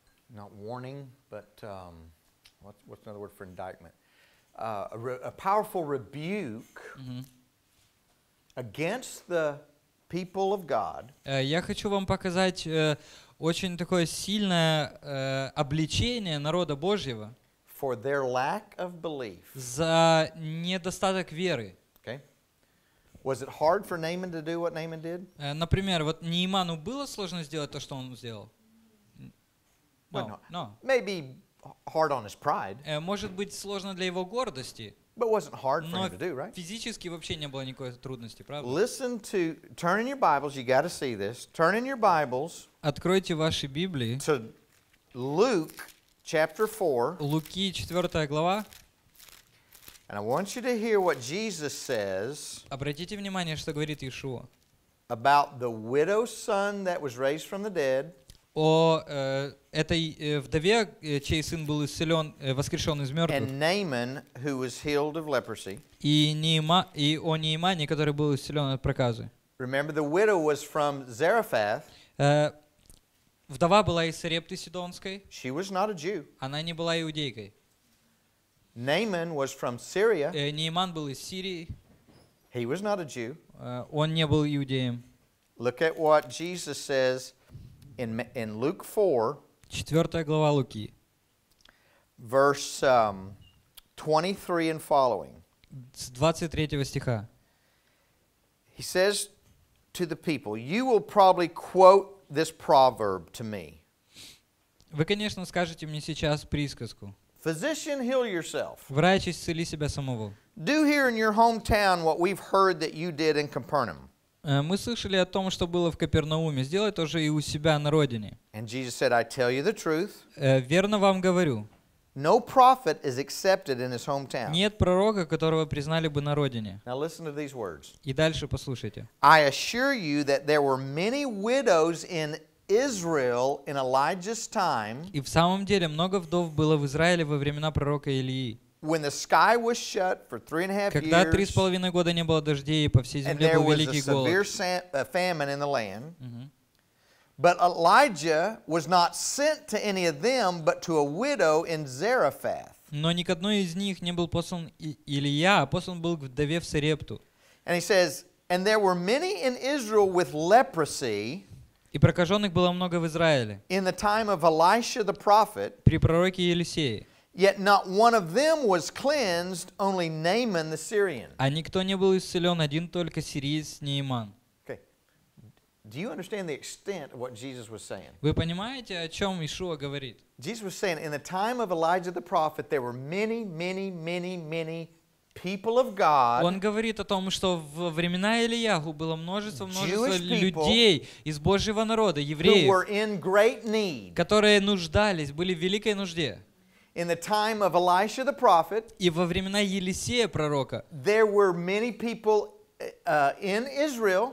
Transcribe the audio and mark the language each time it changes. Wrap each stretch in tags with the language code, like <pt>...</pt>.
<en>Not warning, but what's another word for indictment? A powerful rebuke against the people of God.</en> <ru>Я хочу вам показать. Очень такое сильное обличение народа Божьего</ru> <en>for their lack of belief.</en> <ru>За недостаток веры.</ru> <en>Okay. Was it hard for Naaman to do what Naaman did?</en> <ru>Например, вот Нейману было сложно сделать то, что он сделал?</ru> <en>No. Maybe hard on his pride.</en> <ru>Может быть, сложно для его гордости.</ru> <en>But wasn't hard for him to do, right?</en> <ru>Физически вообще не было никакой трудности, правда?</ru> <en>Listen to, turn in your Bibles, you got to see this. Turn in your Bibles.</en> <ru>Откройте ваши Библии.</ru> <en>To Luke chapter 4.</en> <ru>Луки 4 глава.</ru> <en>And I want you to hear what Jesus says.</en> <ru>Обратите внимание, что говорит Иешуа.</ru> <en>About the widow's son that was raised from the dead.</en> <ru>О этой вдове, чей сын был исцелен, воскрешен из мертвых.</ru> <en>And Naaman, who was healed of leprosy.</en> <ru>И о Неймане, который был исцелен от проказы.</ru> <en>Remember, the widow was from Zarephath.</en> <ru>Вдова была из Сарепты Сидонской.</ru> <en>She was not a Jew.</en> <ru>Она не была иудейкой.</ru> <en>Naaman was from Syria.</en> <ru>Нейман был из Сирии.</ru> <en>He was not a Jew.</en> <ru>Он не был иудеем.</ru> <en>Look at what Jesus says in Luke 4.</en> <ru>4 глава Луки.</ru> <en>Verse 23 and following.</en> <ru>С 23 стиха.</ru> <en>He says to the people, you will probably quote this proverb to me.</en> <ru>Вы, конечно, скажете мне сейчас присказку.</ru> <en>Physician, heal yourself.</en> <ru>Врач, исцели себя самого.</ru> <en>Do here in your hometown what we've heard that you did in Capernaum.</en> <ru>Мы слышали о том, что было в Капернауме. Сделай то же и у себя на родине.</ru> <en>And Jesus said, I tell you the truth.</en> <ru>Верно вам говорю.</ru> <en>No prophet is accepted in his hometown.</en> <ru>Нет пророка, которого признали бы на родине.</ru> <en>Now listen to these words.</en> <ru>И дальше послушайте.</ru> <en>I assure you that there were many widows in Israel in Elijah's time.</en> <ru>И в самом деле много вдов было в Израиле во времена пророка Илии.</ru> <en>When the sky was shut for 3.5 years.</en> <ru>Когда 3.5 года не было дождей, и по всей земле был великий голод.</ru> <en>And there was a severe famine in the land. But Elijah was not sent to any of them, but to a widow in Zarephath.</en> <ru>Но ни к одной из них не был послан Илия, а послан был к вдове в Сарепту.</ru> <en>And he says, and there were many in Israel with leprosy.</en> <ru>И прокаженных было много в Израиле.</ru> <en>In the time of Elisha the prophet.</en> <ru>При пророке Елисее.</ru> <en>Yet not one of them was cleansed, only Naaman the Syrian.</en> <ru>А никто не был исцелен, один только сириец Нейман.</ru> <en>Do you understand the extent of what Jesus was saying?</en> <ru>Вы понимаете, о чем Иешуа говорит?</ru> <en>Jesus was saying, in the time of Elijah the prophet, there were many, many, many, many people of God.</en> <ru>Он говорит о том, что во времена Илияху было множество, множество людей из Божьего народа, евреев,</ru> <en>who were in great need.</en> <ru>Которые нуждались, были в великой нужде.</ru> <en>In the time of Elisha the prophet,</en> <ru>и во времена Елисея пророка,</ru> <en>there were many people. In Israel,</en>